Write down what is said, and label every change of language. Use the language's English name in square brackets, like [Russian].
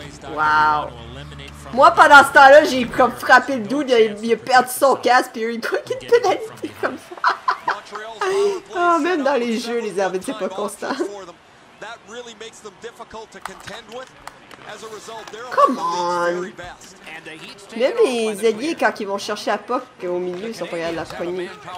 [French] Wow. Moi, pendant ce temps-là, j'ai comme frappé le dude, il a perdu son casque, puis il a eu une petite pénalité comme ça. Oh, même dans les jeux, les arbitres, c'est pas constant. [English] That really makes them difficult to contend with. As a result, come on! [French] Même les alliés, quand ils vont chercher la puck au milieu, ils sont pas capables de la poigner.